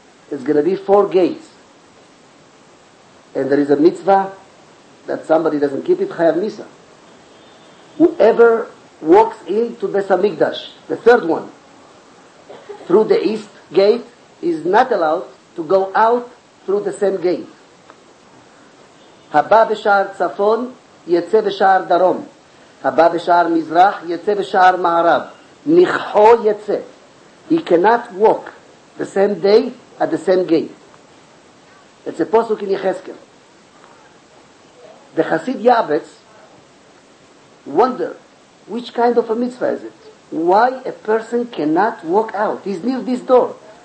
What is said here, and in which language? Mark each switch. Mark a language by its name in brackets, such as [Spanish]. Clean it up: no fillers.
[English] It's going to be 4 gates. And there is a mitzvah that somebody doesn't keep it, Chayav Misa. Whoever walks into Beis HaMikdash, the third one, through the east gate, is not allowed to go out through the same gate. [Hebrew] Haba b'shar tzafon, יצא בשער דרום, הבא בשער מזרח, יצא בשער מערב, נכחו יצא. [English] He cannot walk the same day at the same gate. It's a פוסוק in Yecheskel. The Hasid Yavetz wonder which kind of a mitzvah is it? Why a person cannot walk out? He's near this door.